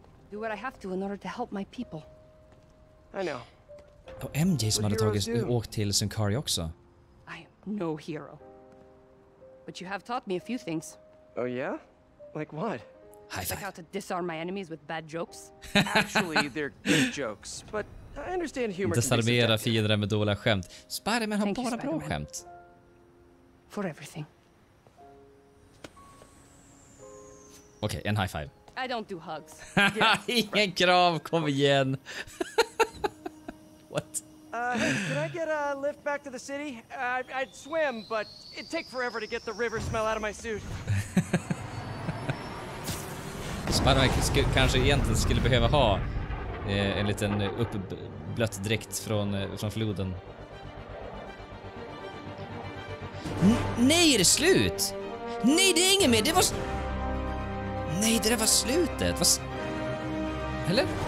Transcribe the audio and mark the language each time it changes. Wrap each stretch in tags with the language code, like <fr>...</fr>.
<en>Do what I have to in order to help my people. I know.</en> <sv>Och MJ som hade tagit åkt till Simcaria också.</sv> <en>I am no hero. But you have taught me a few things. Oh yeah? Like what? Like how to disarm my enemies with bad jokes? Actually, they're good jokes, but I understand humor.</en> <sv>Desarmera fiender med dåliga skämt. Spider-Man har bara bra skämt.</sv> <en>For everything.</en> <sv>Okej, en high five.</sv> <en>I don't do hugs.</en> <sv>Ingen krav, kom igen. What?</sv> <en>Can I get a lift back to the city? I'd swim, but it'd take forever to get the river smell out of my suit.</en> <sv>Spider-Man kanske egentligen skulle behöva ha en liten uppblött dräkt från floden. Nej, är det slut? Nej, det är inget mer. Det var... Nej, det var slutet. Eller?</sv>